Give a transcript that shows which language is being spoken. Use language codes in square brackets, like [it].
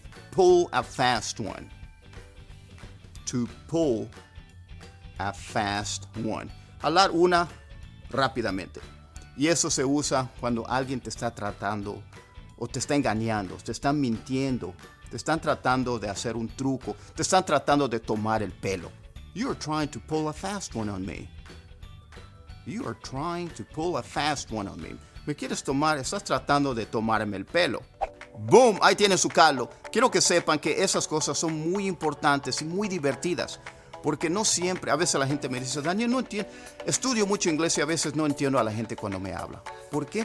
[en] Pull a fast one. To pull a fast one. [es] Hablar una rápidamente. Y eso se usa cuando alguien te está tratando o te está engañando, te están mintiendo, te están tratando de hacer un truco, te están tratando de tomar el pelo. [en] You're trying to pull a fast one on me. You are trying to pull a fast one on me. [es] Me quieres tomar, estás tratando de tomarme el pelo. Boom, ahí tiene su caldo. Quiero que sepan que esas cosas son muy importantes y muy divertidas. Porque no siempre, a veces la gente me dice, Daniel, no entiendo. Estudio mucho inglés y a veces no entiendo a la gente cuando me habla. ¿Por qué?